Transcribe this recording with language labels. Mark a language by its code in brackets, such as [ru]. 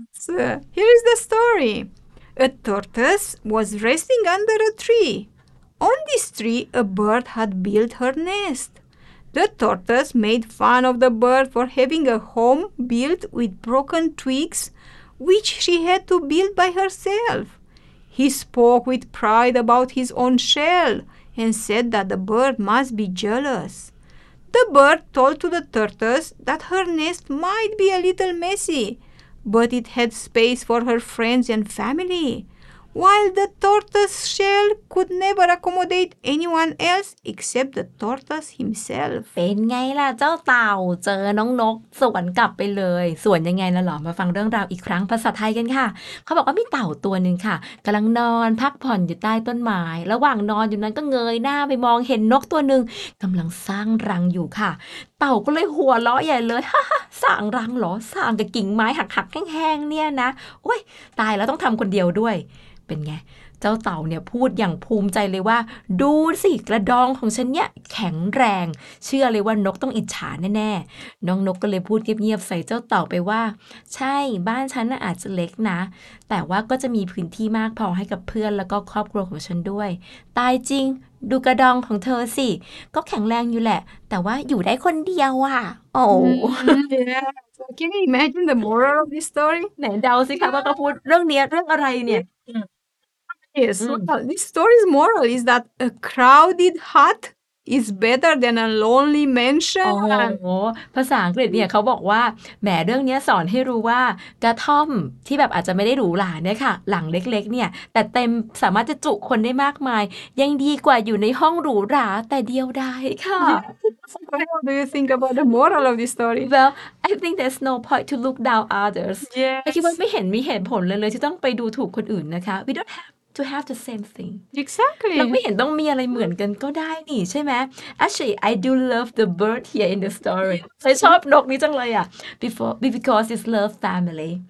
[en] Yes. Here is the story. A tortoise was resting under a tree. On this tree, a bird had built her nest. The tortoise made fun of the bird for having a home built with broken twigs. Which she had to build by herself. He spoke with pride about his own shell and said that the bird must be jealous. The bird told to the tortoise that her nest might be a little messy, but it had space for her friends and family, while the tortoise shell could never accommodate anyone else except the tortoise himself. [th] เป็นไงล่ะเจ้าเต่าเจอน้องนกสวนกลับไปเลยสวนยังไงล่ะหล่อมาฟังเรื่องราวอีกครั้งภาษาไทยกันค่ะเขาบอกว่ามีเต่าตัวนึงค่ะกำลังนอนพักผ่อนอยู่ใต้ต้นไม้ระหว่างนอนอยู่นั้นก็เงยหน้าไปมองเห็นนกตัวนึงกำลังสร้างรังอยู่ค่ะเต่าก็เลยหัวเราะใหญ่เลยฮ่าสร้างรังหรอสร้างกับกิ่งไม้หักๆแห้งๆเนี่ยนะโอ้ยตายแล้วต้องทำคนเดียวด้วย เป็นไงเจ้าเต่าเนี่ยพูดอย่างภูมิใจเลยว่าดูสิกระดองของฉันเนี่ยแข็งแรงเชื่อเลยว่านกต้องอิจฉาแน่ๆน้องนกก็เลยพูดเงียบๆใส่เจ้าเต่าไปว่าใช่บ้านฉันอาจจะเล็กนะแต่ว่าก็จะมีพื้นที่มากพอให้กับเพื่อนแล้วก็ครอบครัวของฉันด้วยตายจริงดูกระดองของเธอสิก็แข็งแรงอยู่แหละแต่ว่าอยู่ได้คนเดียวอ่ะโ [en] อ้ Can you imagine the moral of this story? [th] ไหนเดาสิคะว่าเขาพูดเรื่องนี้เรื่องอะไรเนี่ย [en] Yes, well, this story's moral is that a crowded hut is better than a lonely mansion. [th] ภาษาอังกฤษเนี่ยเขาบอกว่าแหมเรื่องนี้สอนให้รู้ว่ากระท่อมที่แบบอาจจะไม่ได้หรูหราเนี่ยค่ะหลังเล็กๆเนี่ยแต่เต็มสามารถจะจุคนได้มากมายยังดีกว่าอยู่ในห้องหรูหราแต่เดียวดายค่ะ [en] What do you think about the moral of this story? Well, I think there's no point to look down others. Yes. I think [th] ว่าไม่เห็นมีเหตุผลเลยที่ต้องไปดูถูกคนอื่นนะคะ [en] We don't haveTo have the same thing. Exactly. [th] เราไม่เห็นต้องมีอะไรเหมือนกันก็ได้นี่ใช่ไหม [en] Actually, I do love the bird here in the story. [th] I ชอบนกนี้จังเลยอ่ะ [en] Because it's love family.